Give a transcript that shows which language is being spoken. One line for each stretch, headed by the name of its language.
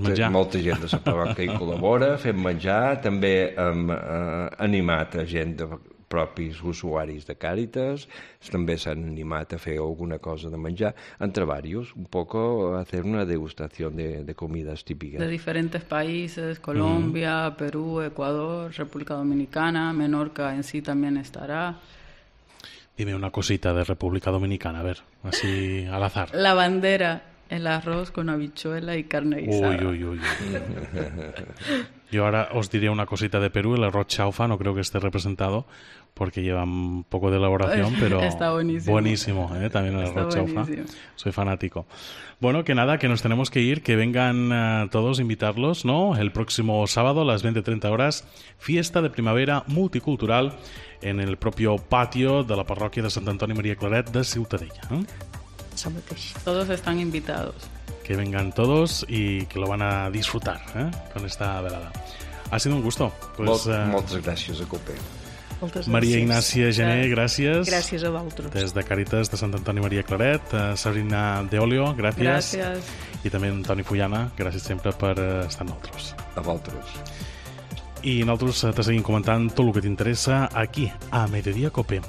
Catalan: Molta gent de la Pavanca hi col·labora, fem menjar, també hem animat a gent de propis usuaris de Càritas, també s'han animat a fer alguna cosa de menjar,
Spanish: entre varios,
Catalan: un poc a fer una degustació de comides típiques. De diferents països, Colòmbia, Perú, Ecuador, República Dominicana, Menorca en si també estarà.
Spanish: Dime una cosita de República Dominicana, a ver, así al azar. La bandera, el arroz con habichuela y carne guisada. Uy, uy, uy. Yo ahora os diría una cosita de Perú, el arroz chaufa, no creo que esté representado porque lleva un poco de elaboración, pero está buenísimo. Buenísimo, ¿eh? También el arroz chaufa. Soy fanático. Bueno, que nada, que nos tenemos que ir, que vengan todos, invitarlos, ¿no? El próximo sábado a las 20:30 horas, fiesta de primavera multicultural en el propio patio de la parroquia de Sant Antoni Maria Claret de Ciutadella. Todos están invitados. Que vengan todos y que lo van a disfrutar, ¿eh?, con esta velada. Ha sido un gusto.
Catalan: Pues, moltes gràcies, a Copé. Maria Ignàcia Gené, gràcies. Gràcies a vosaltres. Des de Càritas de Sant Antoni Maria Claret, Sabrina de Olio, gràcies. Gràcies. I també en Toni Fullana, gràcies sempre per estar amb nosaltres. A vosaltres. I nosaltres te seguim comentant tot el que t'interessa aquí, a Mediodia Copé.